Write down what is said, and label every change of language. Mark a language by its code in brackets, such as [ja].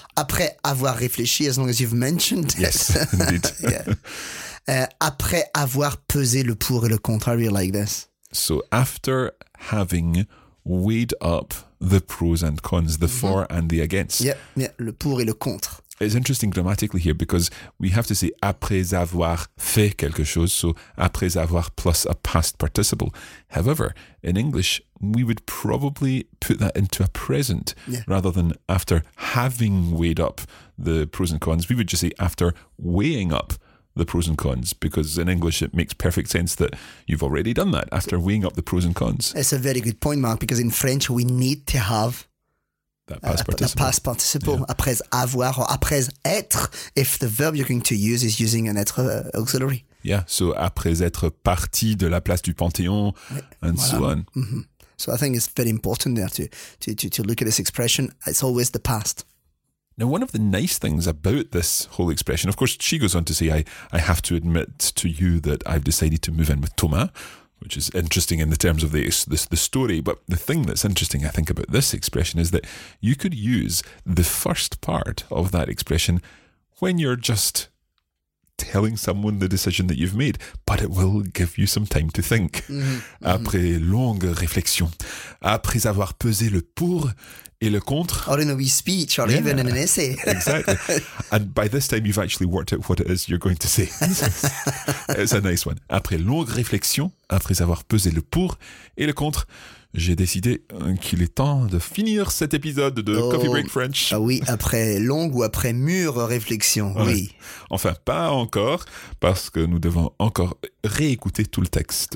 [fr] Après avoir réfléchi, [en] as long as you've mentioned it. Yes, indeed. [fr] Après avoir pesé le pour et le contre, [en] I really like this. So after having weighed up the pros and cons, the for and the against. [fr] Yeah, le pour et le contre. [en] it's interesting grammatically here because we have to say [fr] après avoir fait quelque chose, [en] so après avoir plus a past participle. However, in English, we would probably put that into a present rather than after having weighed up the pros and cons. We would just say after weighing up the pros and cons, because in English it makes perfect sense that you've already done that after weighing up the pros and cons. That's a very good point, Mark, because in French we need to have that past participle. Past participle, yeah. [fr] Après avoir [en] or après être, if the verb you're going to use is using an être auxiliary. Yeah, so [fr] après être parti de la place du Panthéon, and voilà. [en] So on. Mm-hmm. So I think it's very important there to look at this expression. It's always the past. Now, one of the nice things about this whole expression, of course, she goes on to say, I have to admit to you that I've decided to move in with Thomas, which is interesting in the terms of the story. But the thing that's interesting, I think, about this expression is that you could use the first part of that expression when you're just telling someone the decision that you've made, but it will give you some time to think. Mm-hmm. [fr] Après longue réflexion, après avoir pesé le pour et le contre. [en] Or in a wee speech, or even in an essay. Exactly. And by this time, you've actually worked out what it is you're going to say. It's a nice one. [fr] Après longue réflexion, après avoir pesé le pour et le contre, j'ai décidé qu'il est temps de finir cet épisode de Coffee Break French. Ah oui, après longue ou après mûre réflexion, ouais. Oui. Enfin, pas encore, parce que nous devons encore réécouter tout le texte.